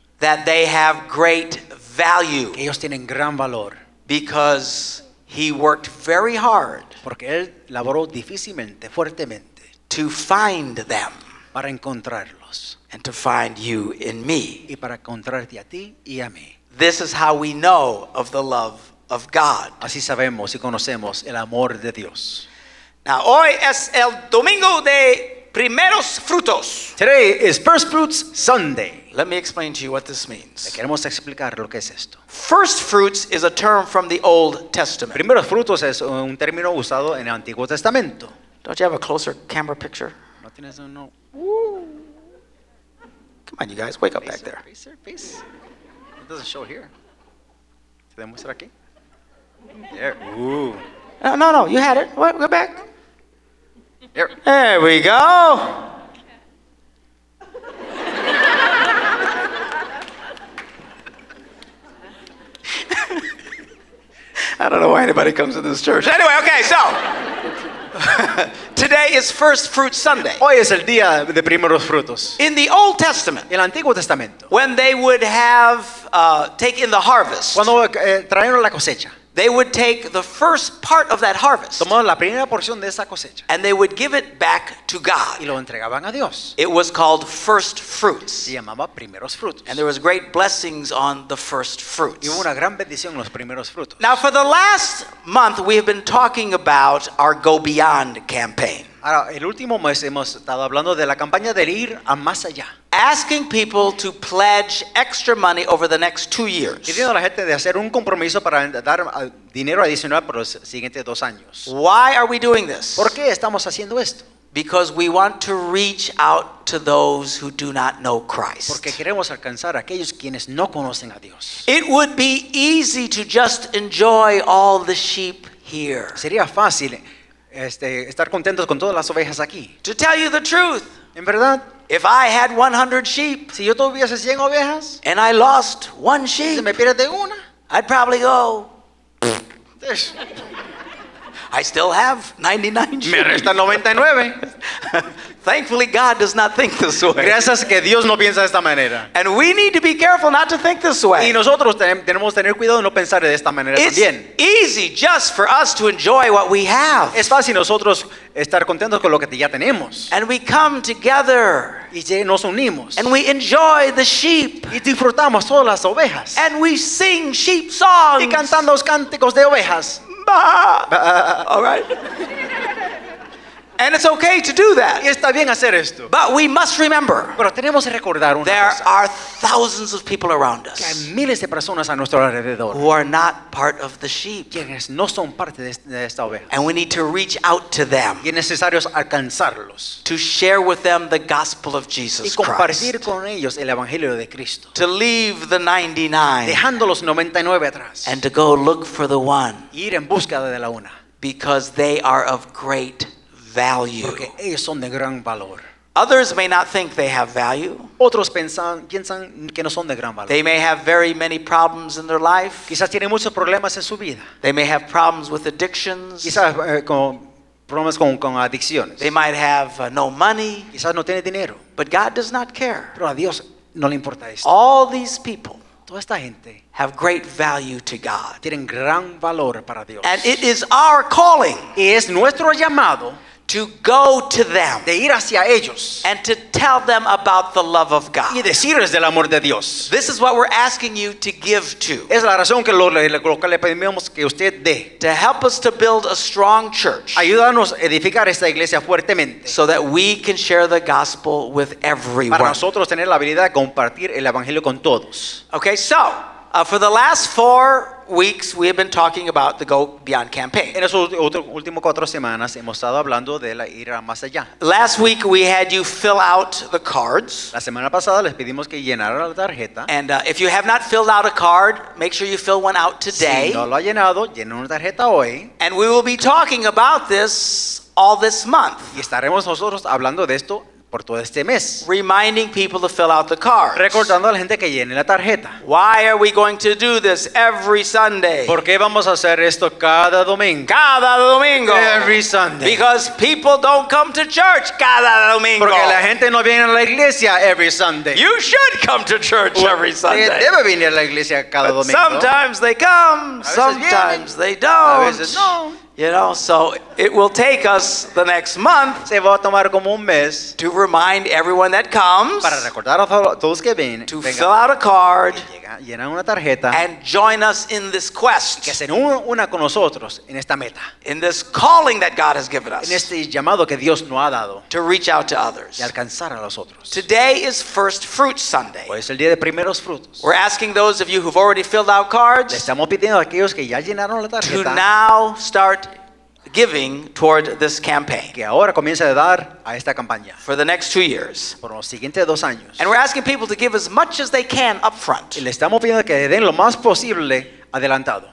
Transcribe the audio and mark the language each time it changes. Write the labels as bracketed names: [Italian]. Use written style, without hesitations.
[English] That they have great value. [Spanish] Que ellos tienen gran valor. [English] Because He worked very hard. [Spanish] Porque él laboró difícilmente, fuertemente. [English] To find them. [Spanish] Para encontrarlos. [English] And to find you in me. [Spanish] Y para encontrarte a ti y a mí. [English] This is how we know of the love of God. [Spanish] Así sabemos y conocemos el amor de Dios. Now, hoy es el domingo de primeros frutos. [English] Today is First Fruits Sunday. Let me explain to you what this means. [Spanish] Le queremos explicar lo que es esto. [English] First fruits is a term from the Old Testament. [Spanish] Primeros frutos es un término usado en el Antiguo Testamento. [English] Don't you have a closer camera picture? [Spanish] No tienes un no. [English] Come on, you guys, wake up back there. Peace. It doesn't show here. [Spanish] ¿Se demuestra aquí? [English] There. Ooh. No, you had it. What? Go back. There we go. I don't know why anybody comes to this church. Anyway, okay, so today is First Fruit Sunday. [Spanish] Hoy es el día de primeros frutos. [English] In the Old Testament, [Spanish] el Antiguo Testamento, [English] when they would have taken the harvest, [Spanish] cuando trajeron la cosecha, [English] they would take the first part of that harvest. [Spanish] Tomaban la primera porción de esa cosecha. [English] And they would give it back to God. [Spanish] Y lo entregaban a Dios. [English] It was called first fruits. [Spanish] Se llamaba primeros frutos. [English] And there was great blessings on the first fruits. [Spanish] Y hubo una gran bendición en los primeros frutos. [English] Now for the last month we have been talking about our Go Beyond campaign. [Spanish] Ahora, el último mes hemos estado hablando de la campaña de ir a más allá. [English] Asking people to pledge extra money over the next 2 years. [Spanish] Pidiendo a la gente de hacer un compromiso para dar dinero adicional por los siguientes 2 años. [English] Why are we doing this? [Spanish] ¿Por qué estamos haciendo esto? [English] Because we want to reach out to those who do not know Christ. [Spanish] Porque queremos alcanzar a aquellos quienes no conocen a Dios. [English] It would be easy to just enjoy all the sheep here. [Spanish] Sería fácil estar contentos con todas las ovejas aquí. [English] To tell you the truth. [Spanish] En verdad. [English] If I had 100 sheep, [Spanish] si yo tuviese 100 ovejas, [English] and I lost one sheep, [Spanish] si me pierde una, [English] I'd probably go, I still have 99 sheep. [Spanish] Me resta 99. [English] Thankfully, God does not think this way. [Spanish] Gracias que Dios no piensa de esta manera. [English] And we need to be careful not to think this way. [Spanish] Y nosotros tenemos tener cuidado de no pensar de esta manera [English] it's [Spanish] también. [English] It's easy just for us to enjoy what we have. [Spanish] Es fácil nosotros estar contentos con lo que ya tenemos. [English] And we come together. [Spanish] Y nos unimos. [English] And we enjoy the sheep. [Spanish] Y disfrutamos todas las ovejas. [English] And we sing sheep songs. [Spanish] Y cantando los cánticos de ovejas. [English] All right. And it's okay to do that. [Spanish] Y está bien hacer esto. [English] But we must remember. [Spanish] Pero tenemos que recordar una [English] there [Spanish] cosa. [English] Are thousands of people around us. [Spanish] Que hay miles de personas a nuestro alrededor. [English] Who are not part of the sheep. [Spanish] Quienes no son parte de esta oveja. [English] And we need to reach out to them. [Spanish] Y es necesario alcanzarlos. [English] To share with them the gospel of Jesus Christ. [Spanish] Y compartir con ellos el evangelio de Cristo. [English] To leave the 99. [Spanish] Dejando los 99 atrás. [English] And to go look for the one. [Spanish] Y ir en búsqueda de la una. [English] Because they are of great value. [Spanish] Porque ellos son de gran valor. [English] Others may not think they have value. [Spanish] Otros piensan que no son de gran valor. [English] They may have very many problems in their life. [Spanish] Quizás tienen muchos problemas en su vida. [English] They may have problems with addictions. [Spanish] Quizás con problemas con adicciones. [English] They might have no money. [Spanish] Quizás no tienen dinero. [English] But God does not care. [Spanish] Pero a Dios no le importa esto. [English] All these people. [Spanish] Toda esta gente [English] have great value to God. [Spanish] Tienen gran valor para Dios. [English] And it is our calling. [Spanish] Y es nuestro llamado. [English] To go to them. [Spanish] De ir hacia ellos. [English] And to tell them about the love of God. [Spanish] Y decirles del amor de Dios. [English] This is what we're asking you to give to. [Spanish] Es la razón que lo que le pedimos que usted dé. [English] To help us to build a strong church. [Spanish] Ayúdanos a edificar esta iglesia fuertemente. [English] So that we can share the gospel with everyone. [Spanish] Para nosotros tener la habilidad de compartir el evangelio con todos. [English] Okay, so for the last 4 weeks we have been talking about the Go Beyond campaign. [Spanish] En esos últimos 4 semanas hemos estado hablando de la ir más allá. [English] Last week we had you fill out the cards. [Spanish] La semana pasada les pedimos que llenaran la tarjeta. [English] And if you have not filled out a card, make sure you fill one out today. [Spanish] Si no lo ha llenado, llene una tarjeta hoy. [English] And we will be talking about this all this month. [Spanish] Y estaremos nosotros hablando de esto por todo este mes. [English] Reminding people to fill out the cards. [Spanish] Recordando a la gente que llene la tarjeta. [English] Why are we going to do this every Sunday? [Spanish] ¿Por qué vamos a hacer esto cada domingo? Cada domingo. [English] Every Sunday. Because people don't come to church [Spanish] cada domingo. Porque la gente no viene a la iglesia [English] every Sunday. You should come to church every Sunday. [Spanish] Debe venir a la iglesia cada domingo. [English] Sometimes they come, sometimes they don't. [Spanish] A veces no. [English] You know, so it will take us the next month. [Spanish] Se va a tomar como un mes [English] to remind everyone that comes. [Spanish] Para recordar a todos que vienen. [English] To [Spanish] venga, [English] fill out a card. [Spanish] Llenar una tarjeta. [English] And join us in this quest. [Spanish] Que se una con nosotros en esta meta. [English] In this calling that God has given us. [Spanish] En este llamado que Dios nos ha dado. [English] To reach out to others. [Spanish] Y alcanzar a los otros. [English] Today is First Fruits Sunday. [Spanish] Hoy es el día de primeros frutos. [English] We're asking those of you who've already filled out cards. [Spanish] Le estamos pidiendo a aquellos que ya llenaron la tarjeta. [English] To now start giving toward this campaign. [Spanish] Que ahora comienza a dar a esta campaña. [English] For the next 2 years. [Spanish] Por los siguientes dos años. [English] And we're asking people to give as much as they can up front. [Spanish] Y le estamos pidiendo que den lo más posible adelantado.